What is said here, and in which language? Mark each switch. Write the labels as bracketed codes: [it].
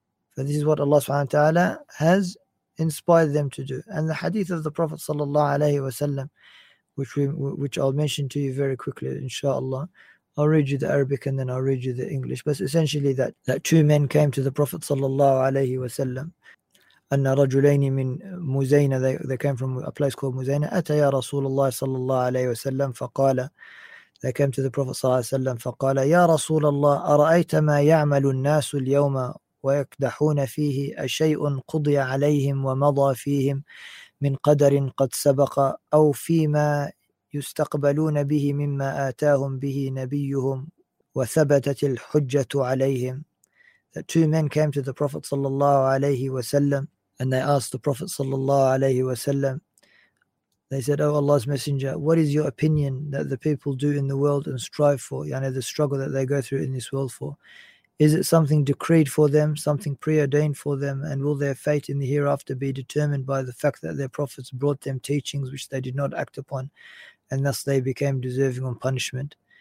[en] For this is what Allah subhanahu wa ta'ala has inspired them to do. And the hadith of the Prophet sallallahu alayhi wa sallam, which I'll mention to you very quickly, inshallah. I'll read you the Arabic and then I'll read you the English. But essentially that two men came to the Prophet sallallahu alayhi wa sallam. [ar] أن رجلين من مزينة, [en] they came from a place called مزينة. [ar] أتيا رسول الله صلى الله عليه وسلم فقال, [en] they came to the Prophet [ar] صلى الله عليه وسلم فقال يا رسول الله أرأيت ما يعمل الناس اليوم ويكدحون فيه أشيء قضي عليهم ومضى فيهم من قدر قد سبق أو فيما يستقبلون به مما آتاهم به نبيهم وثبتت الحجة عليهم. [en] That two men came to the Prophet sallallahu alayhi wa sallam and they asked the Prophet sallallahu alayhi wa sallam, they said, oh Allah's Messenger, what is your opinion that the people do in the world and strive for, yani the struggle that they go through in this world for? Is it something decreed for them, something preordained for them, and will their fate in the hereafter be determined by the fact that their prophets brought them teachings which they did not act upon, and thus they became deserving of punishment?